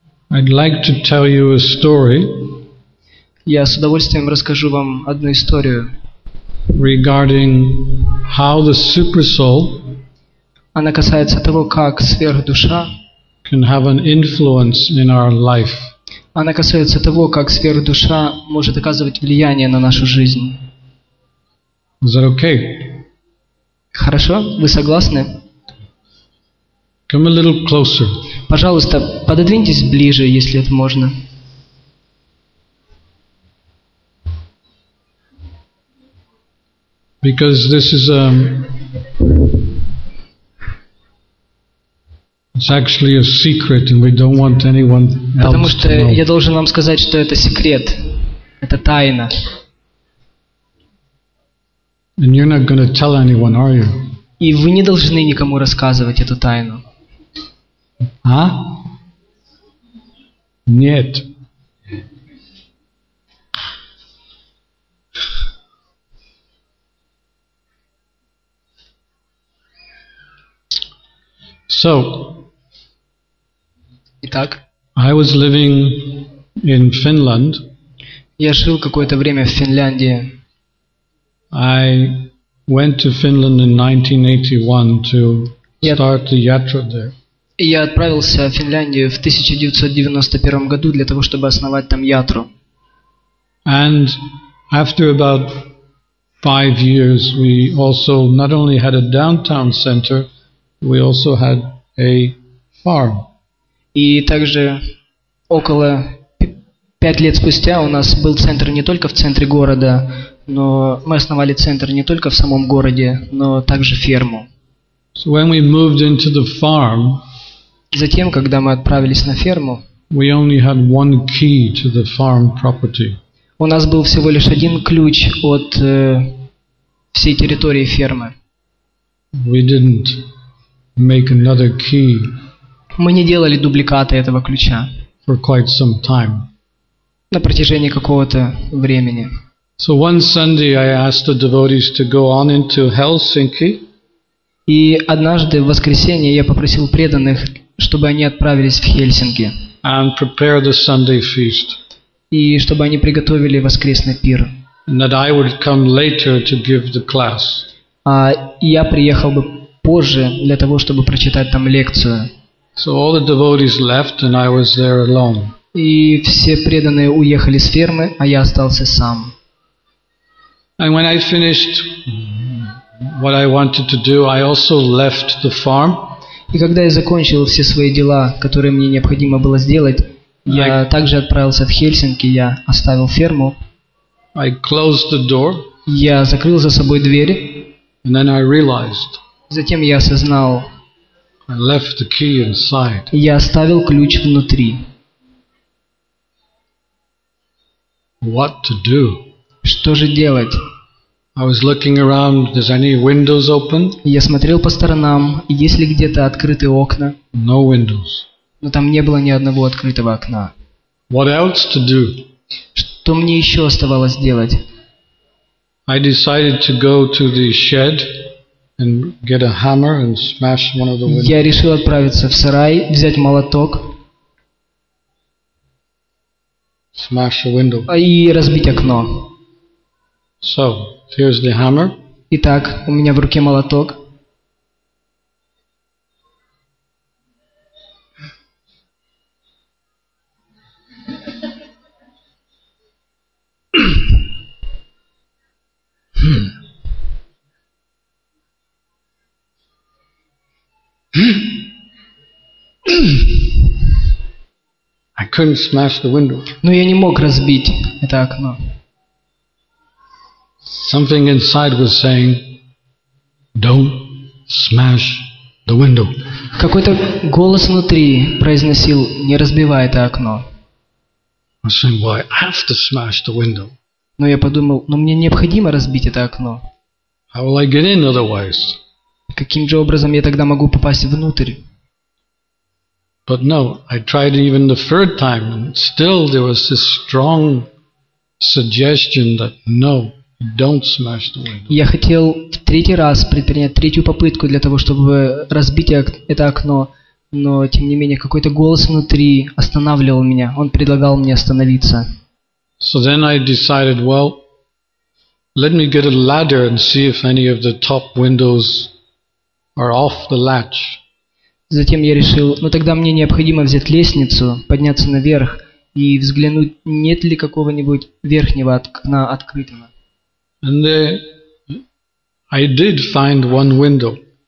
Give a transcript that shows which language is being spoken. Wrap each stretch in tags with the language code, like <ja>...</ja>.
<en>I'd like to tell you a story.</en> <ru>Я с удовольствием расскажу вам одну историю.</ru> <en>Regarding how the super soul,</en> <ru>она касается того, как сверхдуша</ru> <en>can have an influence in our life.</en> <ru>Она касается того, как сверхдуша может оказывать влияние на нашу жизнь.</ru> <en>Is that okay?</en> <ru>Хорошо, вы согласны?</ru> <en>Come a little closer.</en> <ru>Пожалуйста, пододвиньтесь ближе, если это можно.</ru> <en>Because this is it's actually a secret, and we don't want anyone else to know.</en> <ru>Потому что я должен вам сказать, что это секрет, это тайна.</ru> <en>And you're not going to tell anyone, are you?</en> <ru>И вы не должны никому рассказывать эту тайну. А? Нет.</ru> <en>So,</en> <ru>итак,</ru> <en>I was living in Finland.</en> <ru>Я жил какое-то время в Финляндии.</ru> <en>I went to Finland in 1981 to start the yatra there.</en> <ru>Я отправился в Финляндию в 1991 году для того, чтобы основать там ятру.</ru> <en>And after about 5 years, we also not only had a downtown center, we also had a farm.</en> <ru>И также около 5 лет спустя у нас был центр не только в центре города, но мы основали центр не только в самом городе, но также ферму.</ru> <en>So when we moved into the farm,</en> <ru>затем, когда мы отправились на ферму,</ru> <en>we only had one key to the farm property.</en> <ru>У нас был всего лишь один ключ от всей территории фермы.</ru> <en>We didn't make another key.</en> <ru>Мы не делали дубликаты этого ключа</ru> <en>for quite some time.</en> <ru>На протяжении какого-то времени.</ru> <en>So one Sunday I asked the devotees to go on into Helsinki.</en> <ru>И однажды в воскресенье я попросил преданных, чтобы они отправились в Хельсинки.</ru> <en>And prepare the Sunday feast.</en> <ru>И чтобы они приготовили воскресный пир.</ru> <en>And that I would come later to give the class.</en> <ru>А я приехал бы позже для того, чтобы прочитать там лекцию.</ru> <en>So all the devotees left and I was there alone.</en> <ru>И все преданные уехали с фермы, а я остался сам.</ru> <en>And when I finished what I wanted to do, I also left the farm.</en> <ru>И когда я закончил все свои дела, которые мне необходимо было сделать, я также отправился в Хельсинки, я оставил ферму.</ru> <en>I closed the door.</en> <ru>Я закрыл за собой дверь.</ru> <en>And then I realized.</en> <ru>Затем я осознал.</ru> <en>I left the key inside.</en> <ru>Я оставил ключ внутри.</ru> <en>What to do?</en> <ru>Что же делать?</ru> <en>I was looking around, is any windows open?</en> <ru>Я смотрел по сторонам, есть ли где-то открытые окна?</ru> <en>No windows.</en> <ru>Но там не было ни одного открытого окна.</ru> <en>What else to do?</en> <ru>Что мне еще оставалось делать?</ru> <en>I decided to go to the shed and get a hammer and smash one of the windows.</en> <ru>Я решил отправиться в сарай, взять молоток.</ru> <en>Smash a window.</en> <ru>И разбить окно.</ru> <en>So, here's the hammer.</en> <ru>Итак, у меня в руке молоток.</ru> <en>I couldn't smash the window.</en> <ru>Но я не мог разбить это окно.</ru> <en>Something inside was saying, "Don't smash the window."</en> <ru>Какой-то голос внутри произносил: "Не разбивай это окно."</ru> <en>I said, "Well, I have to smash the window."</en> <ru>Но я подумал: "Но мне необходимо разбить это окно."</ru> <en>How will I get in otherwise?</en> <ru>Каким же образом я тогда могу попасть внутрь?</ru> <en>But no, I tried even the third time, and still there was this strong suggestion that no. Don't smash the window.</en> <ru>Я хотел в третий раз предпринять третью попытку для того, чтобы разбить это окно, но тем не менее какой-то голос внутри останавливал меня. Он предлагал мне остановиться.</ru> <en>So then I decided, well, let me get a ladder and see if any of the top windows are off the latch.</en> <ru>Затем я решил, ну тогда мне необходимо взять лестницу, подняться наверх и взглянуть, нет ли какого-нибудь верхнего окна открытого.</ru> <en>And I did find one window.</en>